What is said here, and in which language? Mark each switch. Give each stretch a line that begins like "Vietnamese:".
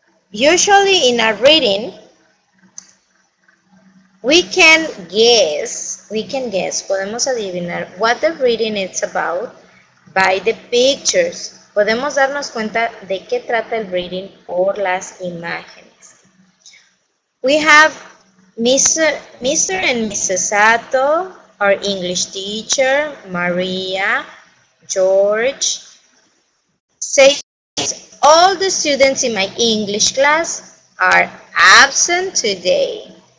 English: Usually in a reading, we can guess,
Spanish: podemos adivinar
English: what the reading is about by the pictures.
Spanish: Podemos darnos cuenta de qué trata el reading por las imágenes.
English: We have Mr. and Mrs. Sato, our English teacher, Maria, George, say, all the students in my English class are absent today.